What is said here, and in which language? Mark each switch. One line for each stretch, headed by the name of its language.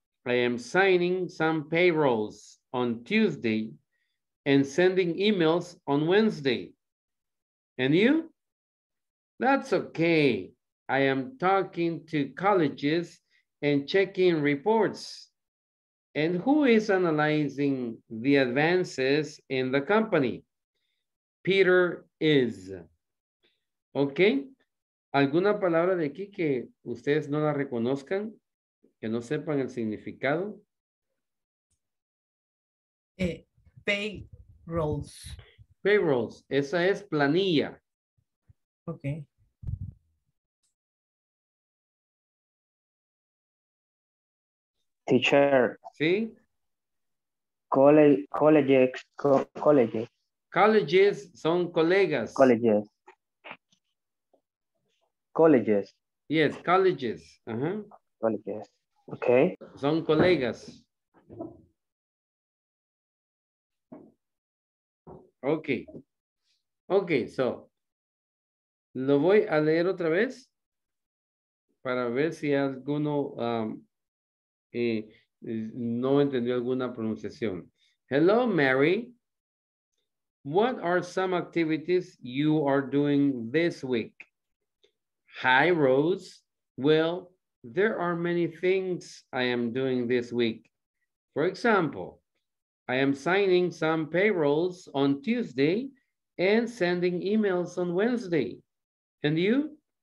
English: I am signing some payrolls on Tuesday and sending emails on Wednesday. And you? That's okay. I am talking to colleges and checking reports. And who is analyzing the advances in the company? Peter is. Okay.
Spanish: ¿Alguna palabra de aquí que ustedes no la reconozcan? Que no sepan el significado.
English: Payrolls.
Spanish: Payrolls. Esa es planilla. Ok.
English: Teacher.
Spanish: Sí.
English: Colleges
Spanish: son colegas.
English: Colleges. Yes, colleges. Uh-huh. Colleges. Okay.
Spanish: Son colegas.
English: Okay. Okay, so.
Spanish: Lo voy a leer otra vez. Para ver si alguno no entendió alguna pronunciación.
English: Hello, Mary. What are some activities you are doing this week? Hi, Rose. Well, there are many things I am doing this week. For example, I am signing some payrolls on Tuesday and sending emails on Wednesday. And you?